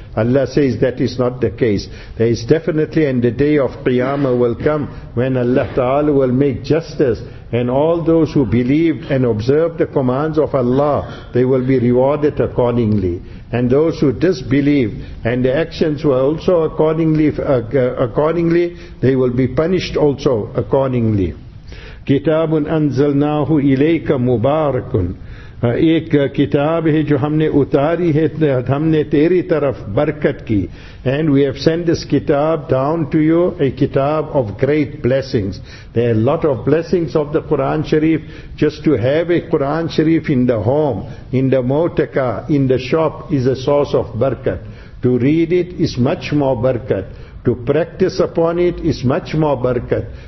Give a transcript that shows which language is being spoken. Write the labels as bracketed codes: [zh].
[en] Allah says that is not the case. There is definitely, and the day of Qiyamah will come, when Allah Ta'ala will make justice, and all those who believed and observed the commands of Allah, they will be rewarded accordingly. And those who disbelieved, and the actions were also accordingly, they will be punished also accordingly. [ar] Kitabun anzalnahu ilayka mubarakun. [ur] ایک کتاب ہے جو ہم نے اتاری ہے ہم نے تیری طرف برکت کی. [en] And we have sent this kitab down to you, a kitab of great blessings. There are a lot of blessings of the Quran Sharif. Just to have a Quran Sharif in the home, in the motor car, in the shop is a source of barakat. To read it is much more barakat. To practice upon it is much more barakat.